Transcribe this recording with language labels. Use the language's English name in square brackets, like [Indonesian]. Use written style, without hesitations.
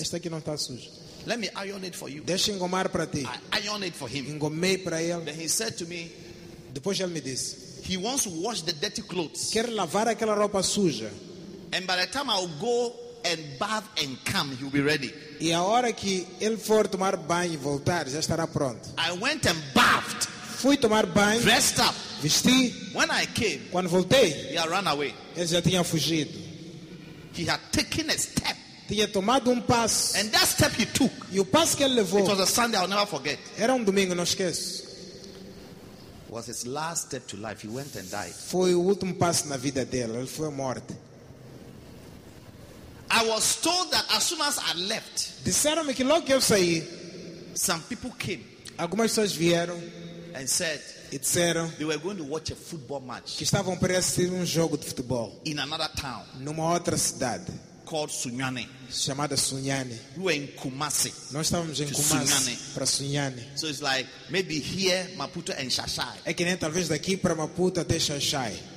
[Portuguese] Este aqui não está sujo. [English] Let me iron it for you. [Portuguese] Deixa eu engomar para ti. [English] I iron it for him. [Portuguese] Engomei para ele. [English] Then he said to me. [Portuguese] Depois ele me disse. [English] He wants to wash the dirty clothes. [Portuguese] Quer lavar aquela roupa suja. [English] And by the time I'll go and bath and come, he'll be ready. [Portuguese] E a hora que ele for tomar banho e voltar, já estará pronto. [English] I went and bathed. [Portuguese] Fui tomar banho. [English] Dressed up. [Portuguese] Vesti. [English] When I came. [Portuguese] Quando voltei. [English] He had run away. [Portuguese] Ele já tinha fugido. [English] He had taken a step. [Portuguese] Tinha tomado passo. [English] And that step he took. [Portuguese] E o passo que ele levou. [English] It was a Sunday I'll never forget. [Portuguese] Era domingo, não esqueço. [English] Was his last step to life. He went and died. [Portuguese] Foi o último passo na vida dele. Ele foi à morte. [English] I was told that as soon as I left. [Portuguese] Disseram-me que logo que eu saí. [English] Some people came. [Portuguese] Algumas pessoas vieram. [English] And said. [Portuguese] E disseram. [English] They were going to watch a football match. [Portuguese] Que estavam para assistir jogo de futebol. [English] In another town. [Portuguese] Numa outra cidade. [English] Called Sunyani. [Portuguese] Chamada Sunyani. [English] We were in Kumasi. [Portuguese] Nós estávamos em Kumasi. [English] Sunyani. [Portuguese] Para Sunyani. [English] So it's like maybe here Maputo and Shashai. [Portuguese] É que nem talvez daqui para Maputo até Shashai.